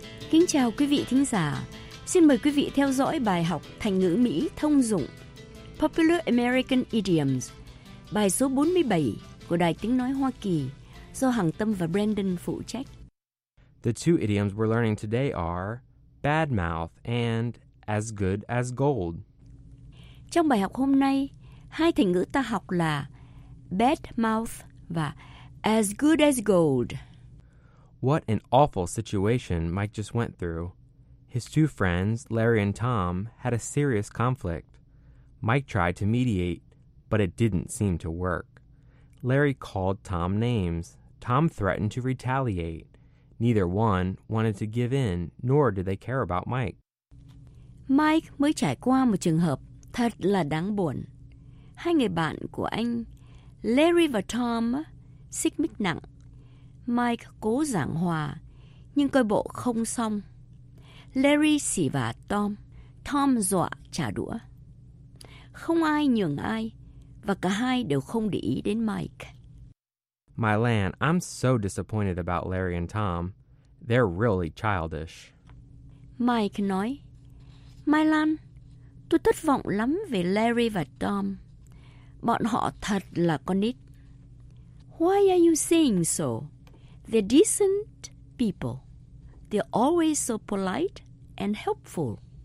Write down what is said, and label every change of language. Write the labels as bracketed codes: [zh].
[vi] Kính chào quý vị thính giả. Xin mời quý vị theo dõi bài học thành ngữ Mỹ thông dụng Popular American Idioms, bài số 47 của Đài Tiếng Nói Hoa Kỳ do Hằng Tâm và Brandon phụ trách. [en] The two idioms we're learning today are bad mouth and as good as gold. [vi] Trong bài học hôm nay, hai thành ngữ ta học là [en] bad mouth [vi] và [en] as good as gold. What an awful situation Mike just went through. His two friends, Larry and Tom, had a serious conflict. Mike tried to mediate, but it didn't seem to work. Larry called Tom names. Tom threatened to retaliate. Neither one wanted to give in, nor did they care about Mike. [vi] Mike mới trải qua một trường hợp thật là đáng buồn. Hai người bạn của anh, Larry và Tom, xích mích nặng. Mike cố giảng hòa, nhưng coi bộ không xong. Larry xỉ vả Tom, Tom dọa trả đũa. Không ai nhường ai, và cả hai đều không để ý đến Mike. [en] My land, I'm so disappointed about Larry and Tom. They're really childish. [vi] Mike nói, My Lan, tôi thất vọng lắm về Larry và Tom. Bọn họ thật là con nít. [en] Why are you saying so? They're decent people. They're always so polite and helpful.